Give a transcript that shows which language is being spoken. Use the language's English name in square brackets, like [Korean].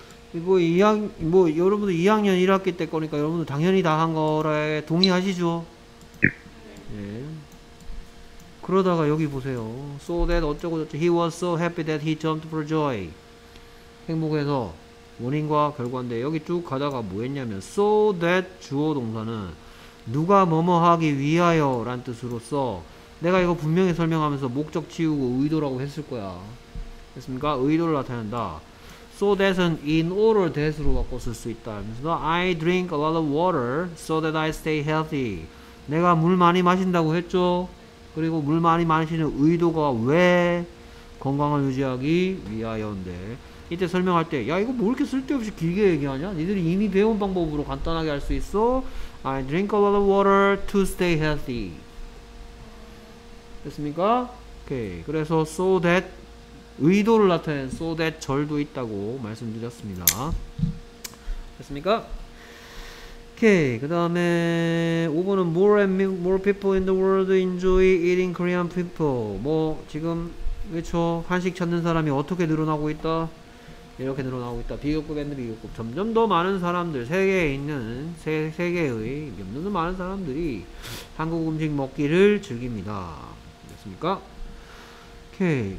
[Korean] 뭐 2학 뭐 여러분들 2학년 1학기 때 거니까 여러분들 당연히 다 한 거에 동의하시죠? 예. 그러다가 여기 보세요. [English] So that [Korean] 어쩌고 저쩌고 [English] he was so happy that he jumped for joy. [Korean] 행복해서 원인과 결과인데 여기 쭉 가다가 뭐 했냐면 so that 주어 동사는 누가 뭐뭐 하기 위하여란 뜻으로써 내가 이거 분명히 설명하면서 목적 치우고 의도라고 했을 거야. 됐습니까? 의도를 나타낸다. So that은 in order that으로 바꿔 쓸 수 있다. 그래서 [English] I drink a lot of water so that I stay healthy. [Korean] 내가 물 많이 마신다고 했죠? 그리고 물 많이 마시는 의도가 왜 건강을 유지하기 위하여인데 이때 설명할 때 야 이거 뭐 이렇게 쓸데없이 길게 얘기하냐? 니들이 이미 배운 방법으로 간단하게 할 수 있어? [English] I drink a lot of water to stay healthy. [Korean] 됐습니까? 오케이. 그래서 so that 의도를 나타낸 so that 절도 있다고 말씀드렸습니다. 됐습니까? 오케이. 그 다음에 5번은 [English] More and more people in the world enjoy eating Korean people. [Korean] 뭐 지금 그렇죠. 한식 찾는 사람이 어떻게 늘어나고 있다? 이렇게 늘어나고 있다. 비교급 앤드 비교급. 점점 더 많은 사람들 세계에 있는 세계의 점점 더 많은 사람들이 한국 음식 먹기를 즐깁니다. 됐습니까? 오케이.